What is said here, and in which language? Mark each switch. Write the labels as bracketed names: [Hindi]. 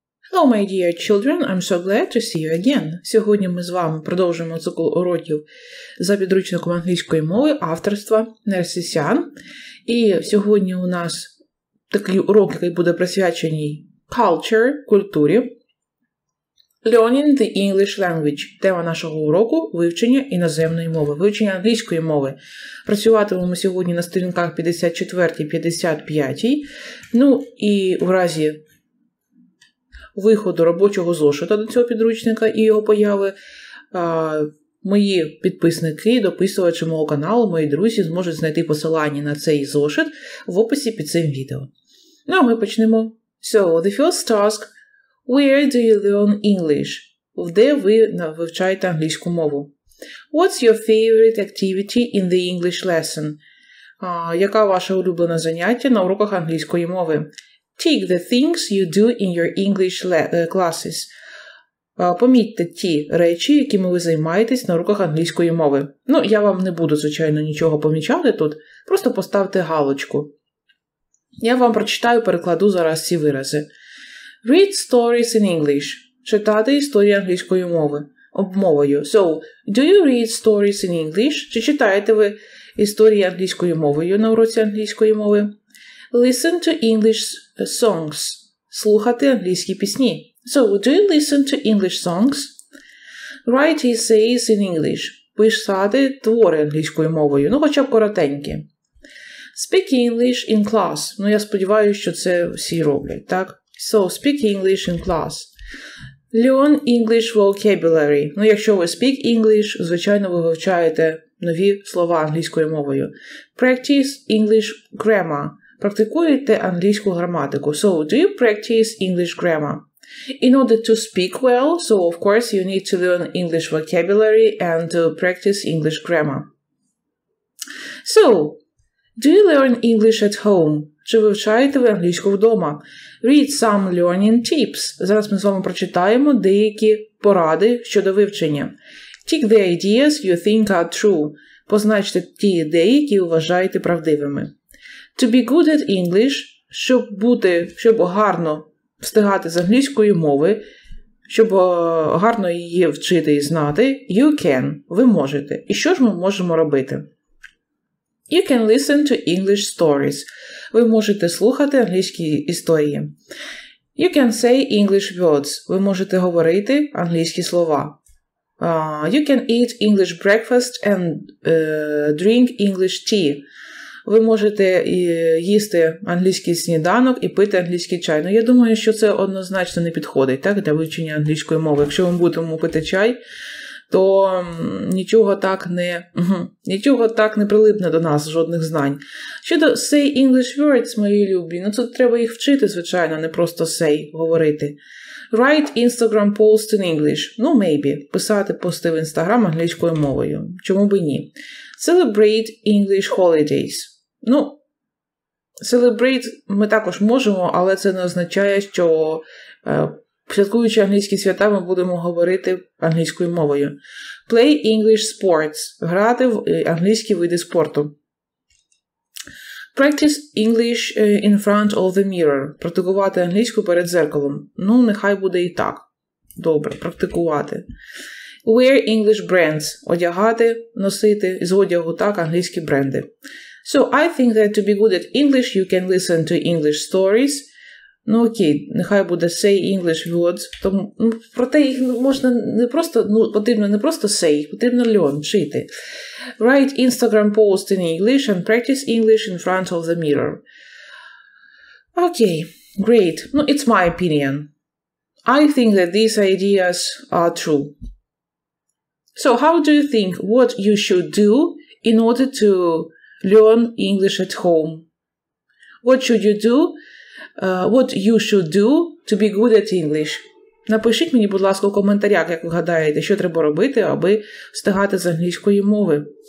[English] Hello, my dear children, I'm so glad to see you again. [Ukrainian] Сьогодні ми з вами продовжуємо цикл уроків за підручником англійської мови авторства Нерсисян. І сьогодні у нас такий урок, який буде присвячений culture, культурі. [English] Learning the English language. [Ukrainian] Тема нашого уроку – вивчення іноземної мови, вивчення англійської мови. Працюватимемо сьогодні на сторінках 54-55. Ну і в разі виходу робочого зошита до цього підручника і його появи, мої підписники, дописувачі мого каналу, мої друзі зможуть знайти посилання на цей зошит в описі під цим відео. Ну а ми почнемо. [English] So, the first task. Where do you learn English? [Ukrainian] Де ви вивчаєте англійську мову? [English] What's your favorite activity in the English lesson? [Ukrainian] Яка ваше улюблене заняття на уроках англійської мови? [English] Tick the things you do in your English classes. [Ukrainian] Помітьте ті речі, якими ви займаєтесь на уроках англійської мови. Ну, я вам не буду, звичайно, нічого помічати тут. Просто поставте галочку. Я вам прочитаю, перекладу зараз ці вирази. [English] Read stories in English. [Ukrainian] Читати історії англійською мовою. [English] So, do you read stories in English? [Ukrainian] Чи читаєте ви історії англійською мовою на уроці англійської мови? [English] Listen to English songs. [Ukrainian] Слухати англійські пісні. [English] So, do you listen to English songs? Write essays in English. [Ukrainian] Писати твори англійською мовою. Ну, хоча б коротенькі. [English] Speak English in class. [Ukrainian] Ну, я сподіваюся, що це всі роблять, так? [English] So, speak English in class. Learn English vocabulary. [Ukrainian] Ну, якщо ви [English] speak English, [Ukrainian] звичайно, ви вивчаєте нові слова англійською мовою. [English] Practice English grammar. [Ukrainian] Практикуєте англійську граматику. [English] So, do you practice English grammar? In order to speak well, so, of course, you need to learn English vocabulary and to practice English grammar. So, do you learn English at home? [Ukrainian] Чи вивчаєте ви англійську вдома? [English] Read some learning tips. [Ukrainian] Зараз ми з вами прочитаємо деякі поради щодо вивчення. [English] Tick the ideas you think are true. [Ukrainian] Позначте ті ідеї, які вважаєте правдивими. [English] To be good at English. [Ukrainian] Щоб гарно встигати з англійської мови, щоб гарно її вчити і знати, [English] you can. [Ukrainian] Ви можете. І що ж ми можемо робити? [English] You can listen to English stories. [Ukrainian] Ви можете слухати англійські історії. [English] You can say English words. [Ukrainian] Ви можете говорити англійські слова. [English] You can eat English breakfast and drink English tea. [Ukrainian] Ви можете їсти англійський сніданок і пити англійський чай. Ну, я думаю, що це однозначно не підходить, так, для вивчення англійської мови. Якщо ми будемо пити чай, то нічого так не прилипне до нас, жодних знань. Щодо [English] say English words, [Ukrainian] мої любі, ну тут треба їх вчити, звичайно, не просто say, говорити. [English] Write Instagram post in English. [Ukrainian] Ну, maybe. Писати пости в Instagram англійською мовою. Чому би ні? [English] Celebrate English holidays. [Ukrainian] Ну, celebrate ми також можемо, але це не означає, що святкуючи англійські свята, ми будемо говорити англійською мовою. [English] Play English sports. [Ukrainian] Грати в англійські види спорту. [English] Practice English in front of the mirror. [Ukrainian] Практикувати англійську перед дзеркалом. Ну, нехай буде і так. Добре, практикувати. [English] Wear English brands. [Ukrainian] Одягати, носити з одягу так англійські бренди. [English] So, I think that to be good at English, you can listen to English stories. [Ukrainian] Ну окей, нехай буде [English] say English words. [Ukrainian] Тому, ну, проте їх можна не просто, ну, потрібно не просто say, потрібно learn, вчити. [English] Write Instagram post in English and practice English in front of the mirror. Окей, great. Ну, it's my opinion. I think that these ideas are true. So, how do you think what you should do in order to learn English at home? What should you do? What you should do to be good at English? [Ukrainian] Напишіть мені, будь ласка, у коментарях, як ви гадаєте, що треба робити, аби встигати з англійської мови.